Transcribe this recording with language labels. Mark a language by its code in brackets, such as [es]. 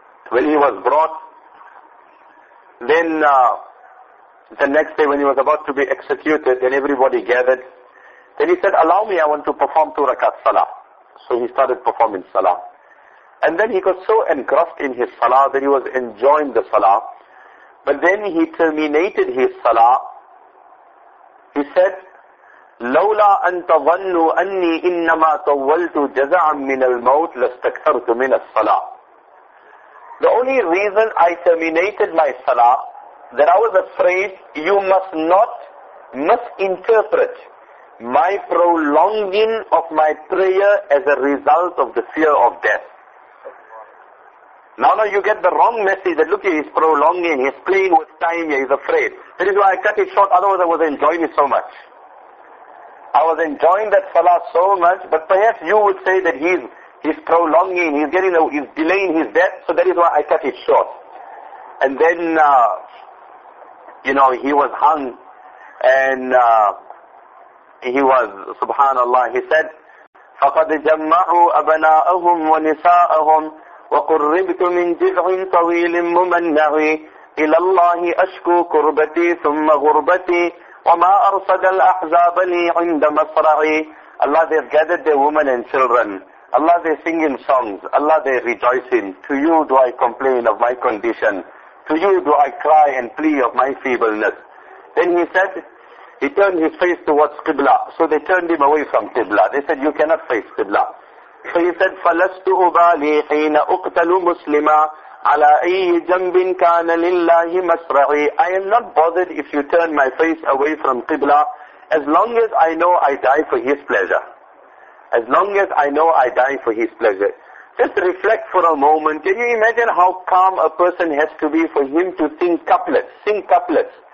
[en] When he was brought, then the next day when he was about to be executed, then everybody gathered. Then he said, allow me, I want to perform 2 rakat salah. So he started performing salah. And then he got so engrossed in his salah that he was enjoying the salah. But then he terminated his salah. He said, [ar] لَوْلَا أَن تَظَنُّوا أَنِّي إِنَّمَا تَوَّلْتُ جَزَعًا مِنَ الْمَوْتِ لَاسْتَكْثَرْتُ مِنَ الصَّلَاةِ. [en] The only reason I terminated my salah, that I was afraid you must not misinterpret my prolonging of my prayer as a result of the fear of death. Now you get the wrong message that look, he's prolonging, he's playing with time, he's afraid. That is why I cut it short, otherwise I was enjoying it so much. I was enjoying that salah so much, but perhaps you would say that he's prolonging, he's delaying his death, so that is why I cut it short. And then, you know, he was hung, and he was, subhanAllah, he said, [ar] فَقَدْ جَمَّعُوا أَبَنَاءَهُمْ وَنِسَاءَهُمْ وَقُرِّبْتُ مِنْ جِذْعٍ طَوِيلٍ مُمَنَّهِ إِلَى اللَّهِ أَشْكُو كُرْبَتِي ثُمَّ غُرْبَتِي وَمَا أَرْصَدَ الْأَحْزَابَ لِي عِنْدَ مَصْرَعِي. [en] Allah, they've gathered their women and children. Allah, they're singing songs. Allah, they're rejoicing. To you do I complain of my condition. To you do I cry and plea of my feebleness. Then he said, he turned his face towards Qibla. So they turned him away from Qibla. They said, you cannot face Qibla. So he said, [ar] فَلَسْتُ أُبَالِي حِينَ أُقْتَلُ مُسْلِمًا عَلَىٰ أَيِّ جَنْبٍ كَانَ لِلَّهِ مَسْرَعِي. [en] I am not bothered if you turn my face away from Qibla, as long as I know I die for his pleasure. As long as I know I die for his pleasure. Just reflect for a moment. Can you imagine how calm a person has to be for him to sing couplets? Sing couplets.